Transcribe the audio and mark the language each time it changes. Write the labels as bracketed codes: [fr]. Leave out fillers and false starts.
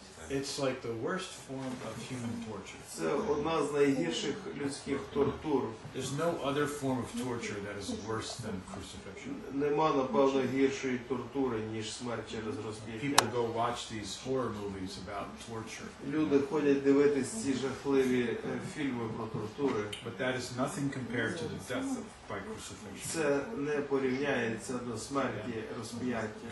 [en] It's like the worst form of human torture. [uk] Це одна з найгірших людських тортур. [en] There's no other form of torture that is worse than crucifixion. [uk] Нема, напевно, гіршої тортури, ніж смерть через розп'яття. [en] People go watch these horror movies about torture. [uk] Люди ходять дивитися ці жахливі фільми про тортури. [en] But that is nothing compared to the death of, by crucifixion. [uk] Це не порівняється до смерті розп'яття.